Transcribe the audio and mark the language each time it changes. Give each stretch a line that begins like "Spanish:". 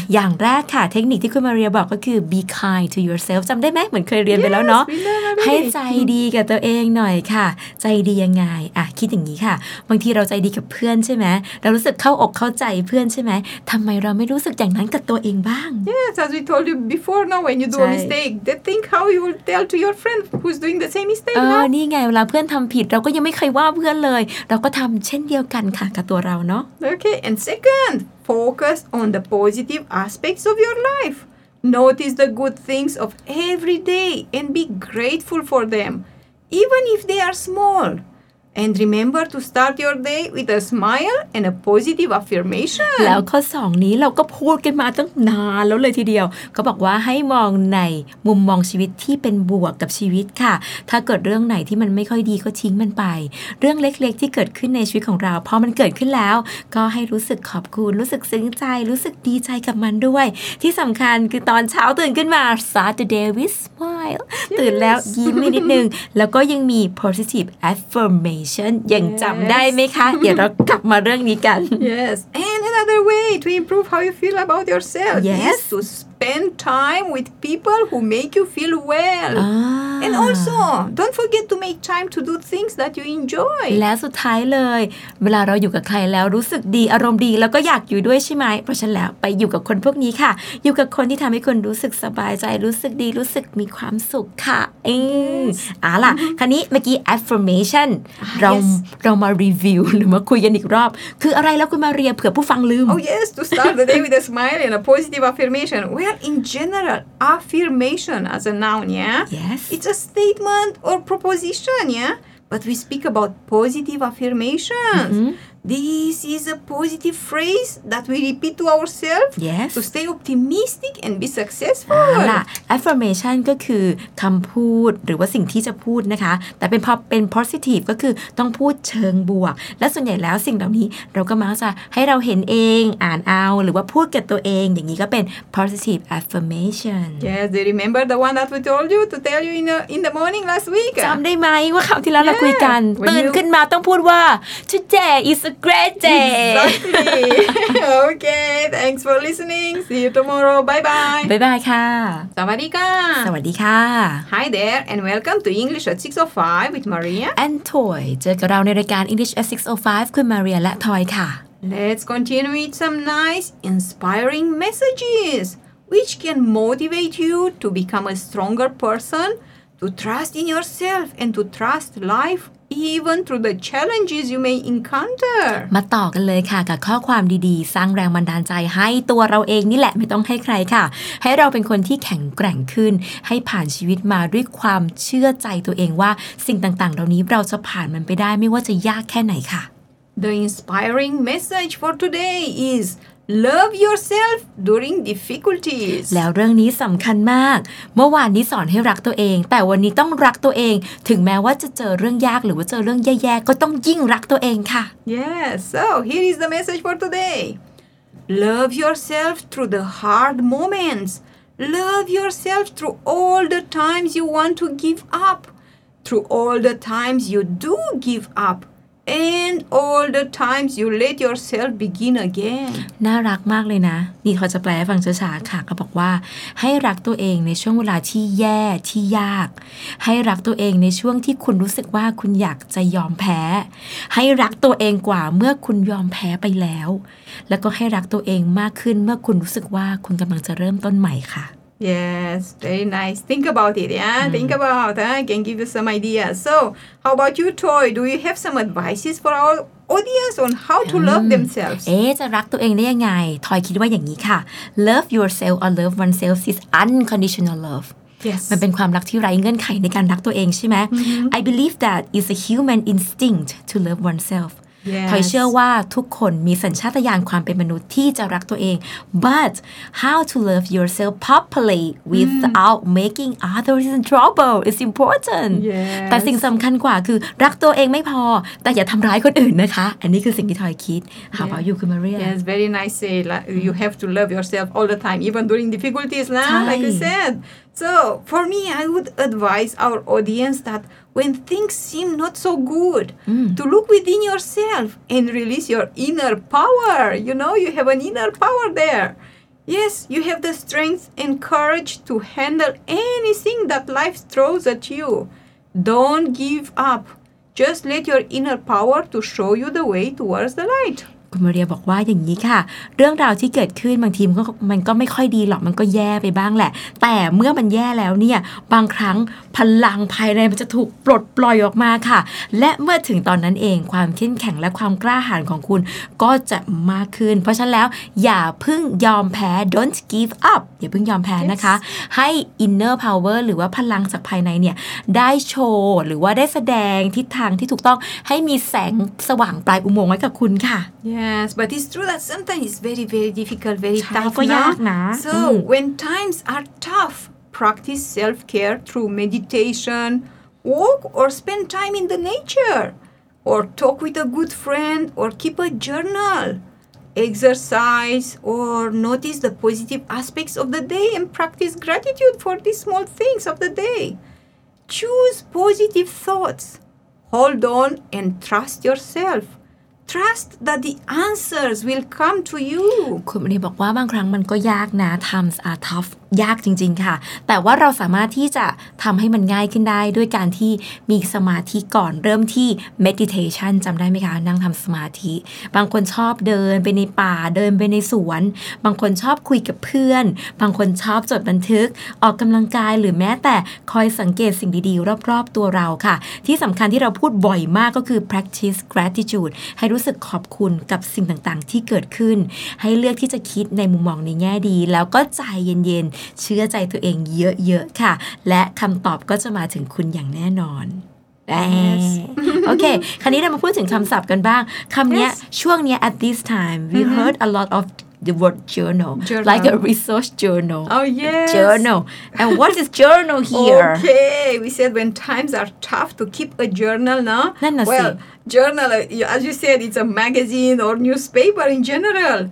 Thai: อย่างแรกค่ะเทคนิคที่คุณมาเรียบอกก็คือ
English: be kind to yourself.
Thai: จำได้ไหมเหมือนเคยเรียนไปแล้วเน า ะให้ใจดีกับตัวเองหน่อยค่ะใจดียังไงอ่ะคิดอย่างนี้ค่ะบางทีเราใจดีกับเพื่อนใช่ไหมเรารู้สึกเข้าอกเข้าใจเพื่อนใช่ไหมทำไมเราไม่รู้สึกอย่างนั้นกับตัวเองบ้าง
English: Yes, as we told you before, now when you do a mistake, then think how you will tell to your friend who's doing the same mistake.
Thai: นี่ไงเวลาเพื่อนทำผิดเราก็ยังไม่เคยว่าเพื่อนเลยเราก็ทำเช่นเดียวกันค่ะกับตัวเราเนาะ
English: Okay, and second, focus on the positive aspects of your life. Notice the good things of every day and be grateful for them, even if they are small. And remember to start your day with a smile and a positive affirmation.
Thai: แล้วข้อ2นี้เราก็พูดกันมาตั้งนานแล้วเลยทีเดียวก็บอกว่าให้มองในมุมมองชีวิตที่เป็นบวกกับชีวิตค่ะถ้าเกิดเรื่องไหนที่มันไม่ค่อยดีก็ทิ้งมันไปเรื่องเล็กๆที่เกิดขึ้นในชีวิตของเราพอมันเกิดขึ้นแล้วก็ให้รู้สึกขอบคุณรู้สึกซึ้งใจรู้สึกดีใจกับมันด้วยที่สำคัญคือตอนเช้าตื่นขึ้นมา
English: start the day with smile yes.
Thai: ตื่นแล้วยิ้มนิดนึง แล้วก็ยังมี positive affirmationยังจำได้ไหมคะเดี๋ยวเรากลับมาเรื่องนี้กัน
English: Yes, and another way to improve how you feel about yourself yes. is to spend time with people who make you feel well. Ah. And also, don't forget to make time to do things that you enjoy.
Thai: และสุดท้ายเลยเวลาเราอยู่กับใครแล้วรู้สึกดีอารมณ์ดีแล้วก็อยากอยู่ด้วยใช่ไหมเพราะฉะนั้นแล้วไปอยู่กับคนพวกนี้ค่ะอยู่กับคนที่ทำให้คนรู้สึกสบายใจรู้สึกดีรู้สึกมีความสุขค่ะเอ๊ะอ่ะล่ะคราวนี้เมื่อกี้ affirmation เรามา review หรือมาคุยกันอีกรอบคืออะไรแล้วคุณมาเรียเผื่อผู้ฟังลืม
English: Oh yes to start the day with a smile and a positive affirmation well in general affirmation as a noun it's a statement or proposition but we speak about positive affirmations This is a positive phrase that we repeat to ourselves to stay optimistic and be successful.
Thai: ล่ะ affirmation ก็คือคำพูดหรือว่าสิ่งที่จะพูดนะคะแต่เป็นพอเป็น positive ก็คือต้องพูดเชิงบวกและส่วนใหญ่แล้วสิ่งเหล่านี้เราก็มักจะให้เราเห็นเองอ่านเอาหรือว่าพูดกับตัวเองอย่างนี้ก็เป็น positive affirmation.
English: Yes, do you remember the one that we told you to tell you in the morning last week?
Thai: จำได้ไหมว่าคราวที่แล้วเราคุยกันตื่นขึ้นมาต้องพูดว่า
English: today isGreat day! Exactly! Okay, thanks for listening. See you tomorrow. Bye-bye! Bye-bye, ka!
Thai: Sawadika! Sawadika!
English: Hi there, and welcome to English at 6:05 with Maria. And Toy.
Thai: เจอกับเราในรายการ English at 6:05 คุณ Maria และ Toy ค่ะ
English: Let's continue with some nice, inspiring messages, which can motivate you to become a stronger person, to trust in yourself, and to trust life. Even through the challenges you may encounter.
Thai: มาต่อกันเลยค่ะกับข้อความดีๆสร้างแรงบันดาลใจให้ตัวเราเองนี่แหละไม่ต้องให้ใครค่ะให้เราเป็นคนที่แข็งแกร่งขึ้นให้ผ่านชีวิตมาด้วยความเชื่อใจตัวเองว่าสิ่งต่างๆเหล่านี้เราจะผ่านมันไปได้ไม่ว่าจะยากแค่ไหนค่ะ
English: The inspiring message for today is love yourself during difficulties.
Thai: แล้วเรื่องนี้สำคัญมากเมื่อวานนี้สอนให้รักตัวเองแต่วันนี้ต้องรักตัวเองถึงแม้ว่าจะเจอเรื่องยากหรือว่าเจอเรื่องแย่ๆก็ต้องยิ่งรักตัวเองค่ะ
English: Yes, so here is the message for today. Love yourself through the hard moments. Love yourself through all the times you want to give up. Through all the times you do give up. And all the times you let yourself begin again.
Thai: น่ารักมากเลยนะนี่เขาจะแปลให้ฟังช้าๆค่ะเขาบอกว่าให้รักตัวเองในช่วงเวลาที่แย่ที่ยากให้รักตัวเองในช่วงที่คุณรู้สึกว่าคุณอยากจะยอมแพ้ให้รักตัวเองกว่าเมื่อคุณยอมแพ้ไปแล้วแล้วก็ให้รักตัวเองมากขึ้นเมื่อคุณรู้สึกว่าคุณกำลังจะเริ่มต้นใหม่ค่ะ
English: Yes, very nice. Think about it, Think about, can give you some ideas. So, how about you, Toy? Do you have some advices for our audience on how to love themselves?
Thai: จะรักตัวเองได้ยังไง Toy คิดว่าอย่างนี้ค่ะ
English: Love yourself or love oneself is unconditional love. Yes.
Thai: มันเป็นความรักที่ไร้เงื่อนไขในการรักตัวเองใช่ไหม
English: I believe that is a human instinct to love oneself. Yes.
Thai: ถอยเชื่อว่าทุกคนมีสัญชาตญาณความเป็นมนุษย์ที่จะรักตัวเอง
English: but how to love yourself properly without making others in trouble is important yes.
Thai: แต่สิ่งสำคัญกว่าคือรักตัวเองไม่พอแต่อย่าทำร้ายคนอื่นนะคะอันนี้คือสิ่งที่ถอยคิด
English: How about you, Maria? Yes, very nice say like, you have to love yourself all the time even during difficulties nah? like you said so for me I would advise our audience thatWhen things seem not so good, to look within yourself and release your inner power. You know, you have an inner power there. Yes, you have the strength and courage to handle anything that life throws at you. Don't give up. Just let your inner power to show you the way towards the light.
Thai: คุณมาเรียบอกว่าอย่างนี้ค่ะเรื่องราวที่เกิดขึ้นบางทีมันก็ไม่ค่อยดีหรอกมันก็แย่ไปบ้างแหละแต่เมื่อมันแย่แล้วเนี่ยบางครั้งพลังภายในมันจะถูกปลดปล่อยออกมาค่ะและเมื่อถึงตอนนั้นเองความเข้มแข็งและความกล้าหาญของคุณ ก็จะมากขึ้นเพราะฉะนั้นแล้วอย่าเพิ่งยอมแพ้
English: don't give up
Thai: อย่าเพิ่งยอมแพ้นะคะให้ inner power หรือว่าพลังจากภายในเนี่ยได้โชว์หรือว่าได้แสดงทิศทางที่ถูกต้องให้มีแสงสว่างปลายอุโมงค์ไว้กับคุณค่ะ
English: Yes, but it's true that sometimes it's very, very difficult, very tough. So when times are tough, practice self-care through meditation, walk or spend time in the nature, or talk with a good friend, or keep a journal, exercise, or notice the positive aspects of the day and practice gratitude for these small things of the day. Choose positive thoughts, hold on and trust yourself. trust that the answers will come to you
Thai: คุณมารีบอกว่าบางครั้งมันก็ยากนะ
English: times are tough
Thai: ยากจริงๆค่ะแต่ว่าเราสามารถที่จะทำให้มันง่ายขึ้นได้ด้วยการที่มีสมาธิก่อนเริ่มที่ meditation จำได้ไหมคะนั่งทำสมาธิบางคนชอบเดินไปในป่าเดินไปในสวน บางคนชอบคุยกับเพื่อนบางคนชอบจดบันทึกออกกำลังกายหรือแม้แต่คอยสังเกตสิ่งดีๆรอบๆตัวเราค่ะที่สำคัญที่เราพูดบ่อยมากก็คือ
English: practice gratitude
Thai: ให้รู้สึกขอบคุณกับสิ่งต่างๆที่เกิดขึ้นให้เลือกที่จะคิดในมุมมองในแง่ดีแล้วก็ใจเย็นๆเชื่อใจตัวเองเยอะๆค่ะและคำตอบก็จะมาถึงคุณอย่างแน่นอน
English: Yes. Okay.
Thai: คราวนี้เรามาพูดถึงคำศัพท์กันบ้างคำนี้ ช่วงนี้
English: at this time we
Thai: mm-hmm.
English: heard a lot of the word journal, like a resource journal. Oh yes. Journal. And what is journal here? Okay. We said when times are tough to keep a journal, no? Well, journal, as you said, it's a magazine or newspaper in general.